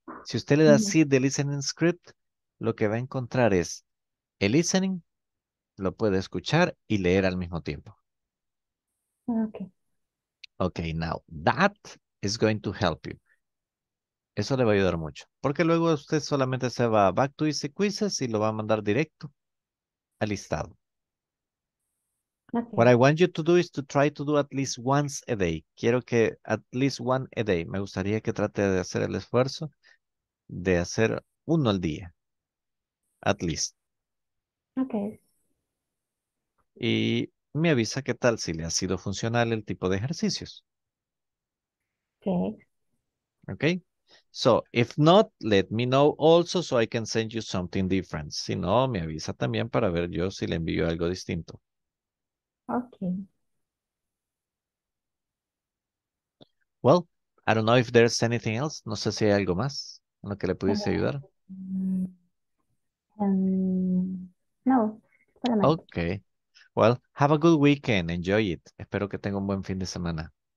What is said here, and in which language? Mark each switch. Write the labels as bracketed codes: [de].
[es] Si usted le da See the Listening Script, lo que va a encontrar es el listening, lo puede escuchar y leer al mismo tiempo. [en] Okay, now that is going to help you. [es] Eso le va a ayudar mucho. Porque luego usted solamente se va a Back to Easy Quizzes y lo va a mandar directo al listado. [en] What I want you to do is to try to do at least once a day. [es] Quiero que [en] at least one a day. [es] Me gustaría que trate de hacer el esfuerzo de hacer uno al día. [en] At least. Okay. [es] Y me avisa qué tal si le ha sido funcional el tipo de ejercicios. [en] Okay. Okay. So, if not, let me know also so I can send you something different. [es] Si no, me avisa también para ver yo si le envío algo distinto. [en] Okay. Well, I don't know if there's anything else. [es] No sé si hay algo más en lo que le pudiese ayudar. No. [en] Okay. Well, have a good weekend. Enjoy it. [es] Espero que tenga un buen fin de semana.